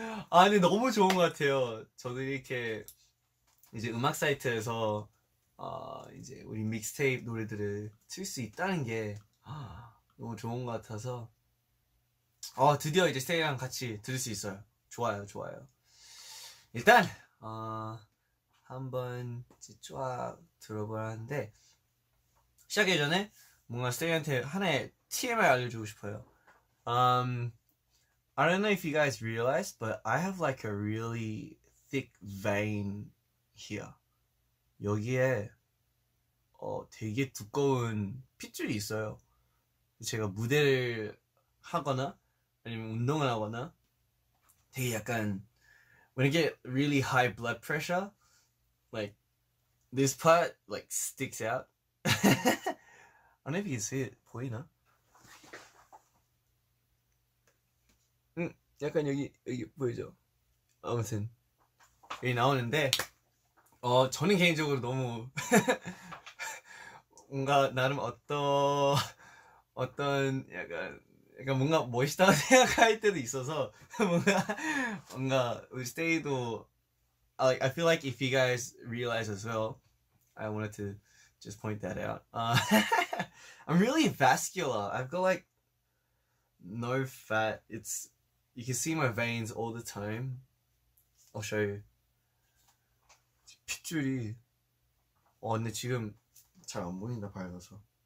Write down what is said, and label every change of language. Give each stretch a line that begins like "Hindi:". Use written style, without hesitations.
Korean: 아, 근데 너무 좋은 것 같아요. 저도 이렇게 이제 음악 사이트에서 이제 우리 믹스테이프 노래들을 틀 수 있다는 게 너무 좋은 것 같아서 드디어 이제 스테이랑 같이 들을 수 있어요. 좋아요. 일단 한번 이제 쫙 들어보라는데 시작하기 전에 뭔가 스테이한테 하나의 TMI 알려주고 싶어요.
English: I don't know if you guys realize, but I have like a really thick vein here.
Korean: 여기에 되게 두꺼운 핏줄이 있어요. 제가 무대를 하거나 아니면 운동을 하거나 되게 약간
English: when I get really high blood pressure, like this part like sticks out. I don't know if you can see it.
Korean: 보이나? 약간 여기 보이죠? 아무튼 여기 나오는데 저는 개인적으로 너무 뭔가 나름 어떤 약간 뭔가 멋있다고 생각할 때도 있어서 뭔가 우리 스테이도
English: I feel like if you guys realize as well I wanted to just point that out. I'm really vascular. I've got like no fat. It's You can see my veins all the time. I'll show you.
Korean: 핏줄이 어 근데 지금 잘 안 보인다 밝아서